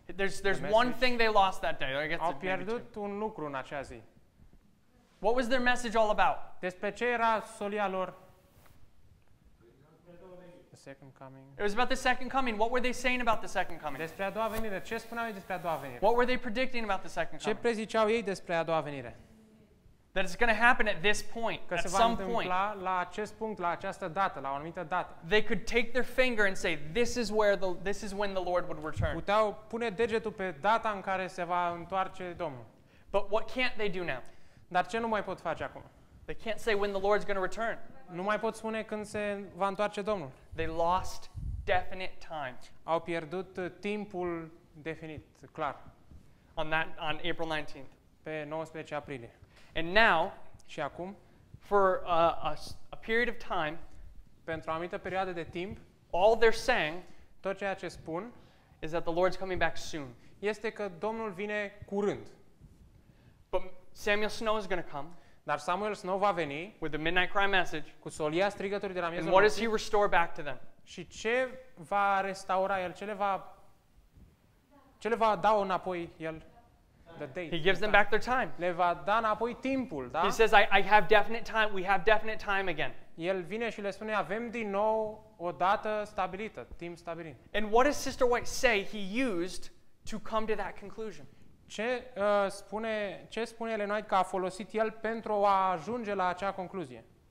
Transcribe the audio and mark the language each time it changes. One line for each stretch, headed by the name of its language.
English: There's the one thing they lost that day.
Romanian: Au pierdut un lucru în acea zi.
English: What was their message all about?
Romanian: Despre ce era solia lor?
English: It was about the second coming. What were they saying about the second coming? Despre a doua venire.
Romanian: Ce spuneau ei despre a doua venire?
English: What were they predicting about the second coming?
Romanian: Ce preziceau ei despre a doua venire?
English: That it's going to happen at this point,
Romanian: că
English: at some point.
Romanian: La acest punct, la această dată, la o anumită dată.
English: They could take their finger and say, this is when the Lord would return.
Romanian: Puteau pune degetul pe data în care se va întoarce Domnul.
English: But what can't they do now?
Romanian: Dar ce nu mai pot face acum?
English: They can't say when the Lord's going to return.
Romanian: Nu mai pot spune când se va întoarce Domnul.
English: They lost definite time.
Romanian: Au pierdut timpul definit, clar.
English: On April 19th.
Romanian: Pe 19 aprilie.
English: And now,
Romanian: și acum,
English: for a period of time,
Romanian: pentru o anumită perioadă de timp,
English: all they're saying,
Romanian: tot ceea ce spun,
English: is that the Lord's coming back soon.
Romanian: Este că Domnul vine curând.
English: But Samuel Snow is going to come.
Romanian: Dar Samuel Snow va veni
English: with the midnight cry message.
Romanian: Cu solia strigătului de la miezul nopții.
English: And what does he restore back to them?
Romanian: Și ce va restaura el? Ce le va da înapoi el?
English: He gives them back their time.
Romanian: Le va da înapoi timpul, da?
English: He says, I have definite time. We have definite time again.
Romanian: El vine și le spune, avem din nou o dată stabilită, timp stabilit.
English: And what does Sister White say he used to come to that conclusion?
Romanian: Ce spune Ellen White că a folosit el pentru a ajunge la acea concluzie?